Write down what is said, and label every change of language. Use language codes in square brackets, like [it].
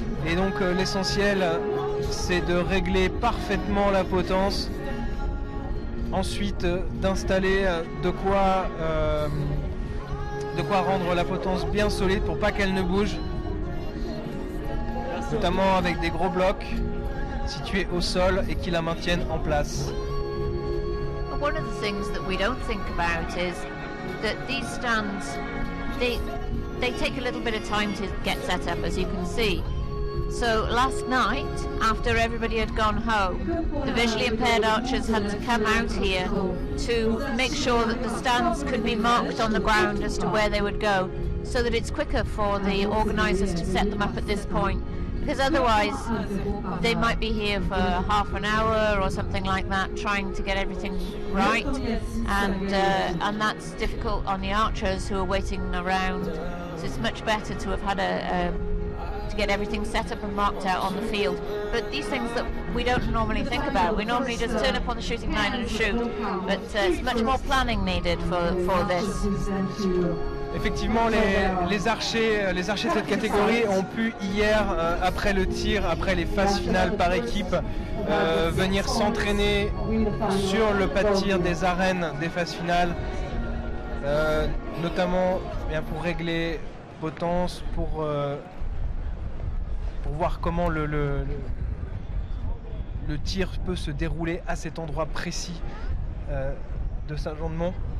[fr] Et donc l'essentiel, c'est de régler parfaitement la potence, ensuite d'installer de quoi rendre la potence bien solide pour pas qu'elle ne bouge, notamment avec des gros blocs situés au sol et qui la maintiennent en place. [en] One of the things that we don't think about is that these stands, they take a little bit of time to get set up, as you can see. So last night, after everybody had gone home, the visually impaired archers had to come out here to make sure that the stands could be marked on the ground as to where they would go, so that it's quicker for the organizers to set them up at this point. Because otherwise, they might be here for half an hour or something like that, trying to get everything right, and that's difficult on the archers who are waiting around. So it's much better to have had to get everything set up and marked out on the field. But these things that we don't normally think about, we normally just turn up on the shooting line and shoot. But it's much more planning needed for this. [fr] Effectivement, les archers de cette catégorie ont pu hier, après le tir, après les phases finales par équipe, venir s'entraîner sur le pas de tir des arènes des phases finales, notamment bien pour régler potence, pour voir comment le tir peut se dérouler à cet endroit précis de Saint Jean de Monts.